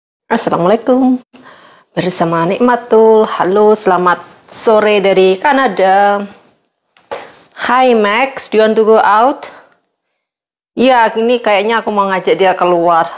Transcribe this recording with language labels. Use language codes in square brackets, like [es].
[id] Assalamualaikum, bersama Nikmatul. Halo, selamat sore dari Kanada. [en] Hi Max, do you want to go out? [id] Ya, ini kayaknya aku mau ngajak dia keluar.